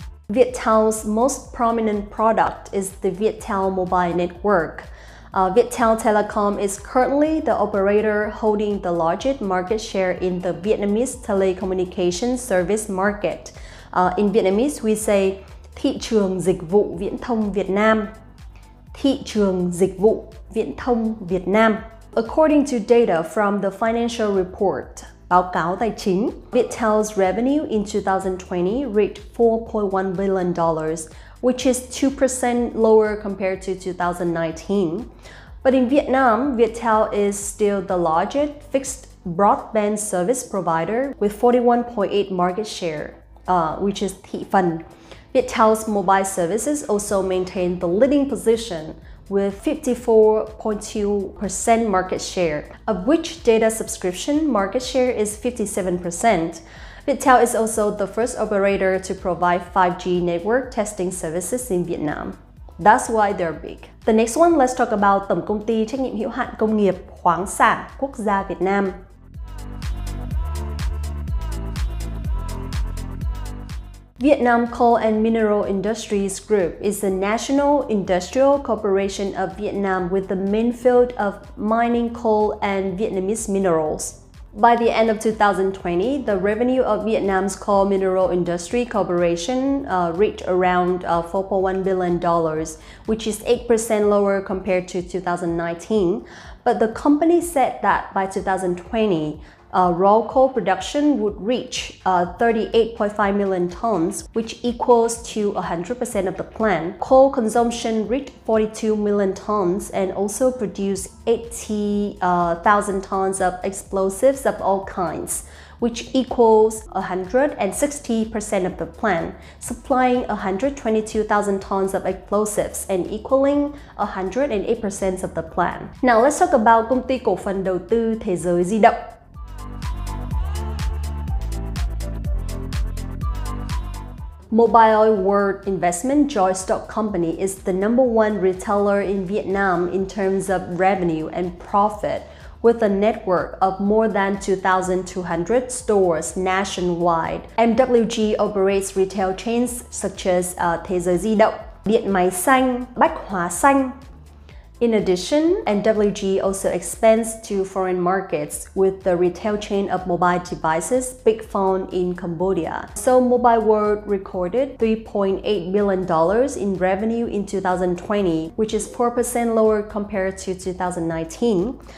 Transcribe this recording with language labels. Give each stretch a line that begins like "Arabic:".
English: Viettel's most prominent product is the Viettel Mobile Network. Viettel Telecom is currently the operator holding the largest market share in the Vietnamese telecommunications service market. In Vietnamese, we say
Vietnamese: thị trường dịch vụ viễn thông Việt Nam. Thị trường dịch vụ viễn thông Việt Nam.
English: According to data from the financial report,
Vietnamese: báo cáo tài chính,
English: Viettel's revenue in 2020 reached $4.1 billion, which is 2% lower compared to 2019. But in Vietnam, Viettel is still the largest fixed broadband service provider with 41.8% market share, which is thị phần. Viettel's mobile services also maintain the leading position with 54.2% market share, of which data subscription market share is 57%. Viettel is also the first operator to provide 5G network testing services in Vietnam. That's why they're big. The next one, let's talk about Tổng Công ty Trách nhiệm Hữu hạn Công nghiệp Khoáng sản Quốc gia Việt Nam. Vietnam Coal and Mineral Industries Group is the national industrial corporation of Vietnam with the main field of mining coal and Vietnamese minerals. By the end of 2020, the revenue of Vietnam's Coal Mineral Industry Corporation reached around $4.1 billion, which is 8% lower compared to 2019. But the company said that by 2020, raw coal production would reach 38.5 million tons, which equals to 100% of the plan. Coal consumption reached 42 million tons and also produced 80,000 tons of explosives of all kinds, which equals 160% of the plan, supplying 122,000 tons of explosives and equaling 108% of the plan. Now let's talk about Công ty Cổ phần Đầu tư Thế giới Di động. Mobile World Investment Joy Stock Company is the number one retailer in Vietnam in terms of revenue and profit, with a network of more than 2,200 stores nationwide. MWG operates retail chains such as Thế giới Di động, Điện máy xanh, Bách hóa xanh. In addition, MWG also expands to foreign markets with the retail chain of mobile devices Big Phone in Cambodia. So Mobile World recorded $3.8 billion in revenue in 2020, which is 4% lower compared to 2019.